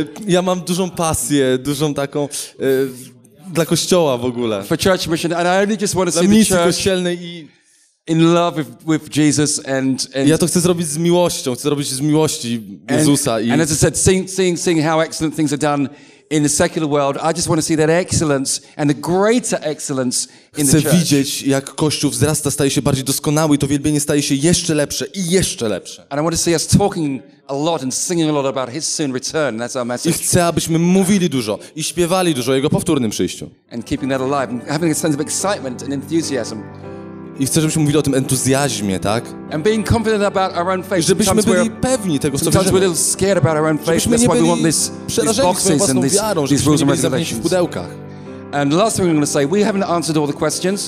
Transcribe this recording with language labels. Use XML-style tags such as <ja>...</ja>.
<pl>Ja mam dużą pasję, dużą taką dla kościoła w ogóle.</pl> <en>For church mission, and I only just want to see the church. In love with Jesus and</en> <pl>ja to chcę zrobić z miłością, chcę robić z miłości Jezusa</pl> <en>and as I said, seeing how excellent things are done in the secular world, I just want to see that excellence and the greater excellence in the church.</en> <pl>Chcę widzieć, jak Kościół wzrasta, staje się bardziej doskonały i to wielbienie staje się jeszcze lepsze i jeszcze lepsze.</pl> <en>And I want to see us talking a lot and singing a lot about his soon return. That's our message.</en> <pl>I chcę, abyśmy mówili dużo i śpiewali dużo o jego powtórnym przyjściu.</pl> <en>And keeping that alive and having a sense of excitement and enthusiasm.</en> <pl>I chcę, żebyśmy mówili o tym entuzjazmie, tak?</pl> <en>And being confident about our own faith.</en> <pl>Żebyśmy byli pewni tego, co wierzymy.</pl> <en>Sometimes we're a little scared about our own faith.</en> <pl>Żebyśmy nie byli przerażeni swoją własną wiarą, żebyśmy nie byli zamknięci w pudełkach.</pl> <en>And last thing I'm going to say, we haven't answered all the questions.</en>